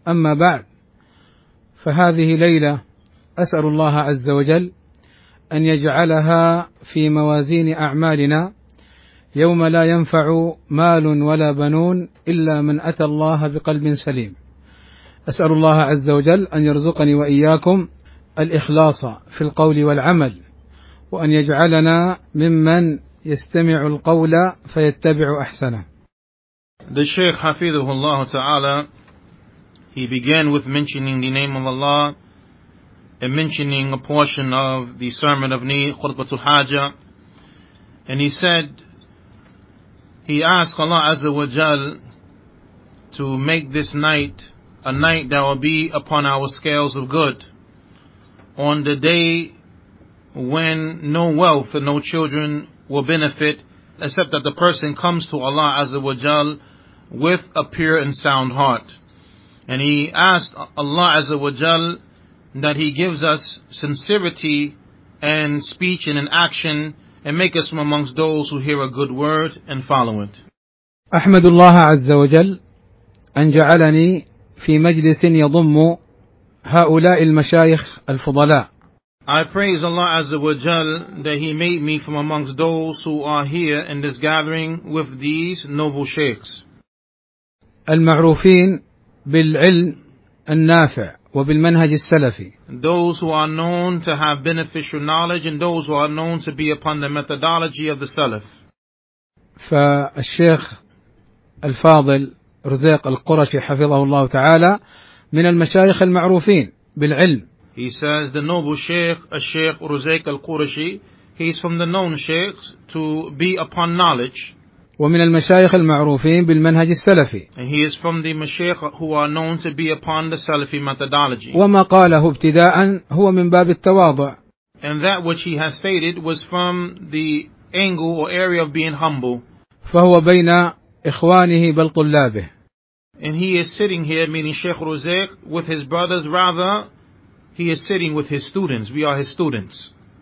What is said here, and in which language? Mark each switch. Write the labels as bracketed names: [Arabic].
[Arabic] أما بعد, فهذه ليلة أسأل الله عز وجل أن يجعلها في موازين أعمالنا يوم لا ينفع مال ولا بنون إلا من أتى الله بقلب سليم. أسأل الله عز وجل أن يرزقني وإياكم الإخلاص في القول والعمل, وأن يجعلنا ممن يستمع القول فيتبع أحسنه. [English] The Shaykh [Arabic] حفظه الله تعالى, [English] he began with mentioning the name of Allah and mentioning a portion of the sermon of Khutbat al-Hajjah, and he said, he asked Allah Azza wa Jal to make this night a night that will be upon our scales of good, on the day when no wealth and no children will benefit, except that the person comes to Allah Azza wa Jal with a pure and sound heart. And he asked Allah Azza wa Jal that he gives us sincerity and speech and an action, and make us from amongst those who hear a good word and follow it. [Arabic] أحمد الله عز وجل أن جعلني في مجلس يضم هؤلاء المشايخ الفضلاء. [English] I praise Allah Azza wa Jal that He made me from amongst those who are here in this gathering with these noble sheikhs. [Arabic] المعروفين بالعلم النافع وبالمنهج السلفي. [English] Those who are known to have beneficial knowledge and those who are known to be upon the methodology of the Salaf. [Arabic] فالشيخ الفاضل رزيق القرشي حفظه الله تعالى من المشايخ المعروفين بالعلم. [English] He says the noble Sheikh, a Sheikh Ruzayk al-Qurashi, he is from the known Sheikhs to be upon knowledge. [Arabic] ومن المشايخ المعروفين بالمنهج السلفي. [English] And he is from the مشايخ who are known to be upon the Salafi methodology. [Arabic] وما قاله ابتداء هو من باب التواضع. [English] And that which he has stated was from the angle or area of being humble. [Arabic] فهو بين إخوانه بل طلابه. [English] And he is sitting here, meaning Sheikh Ruzayk, with his brothers. Rather, he is sitting with his students. We are his students.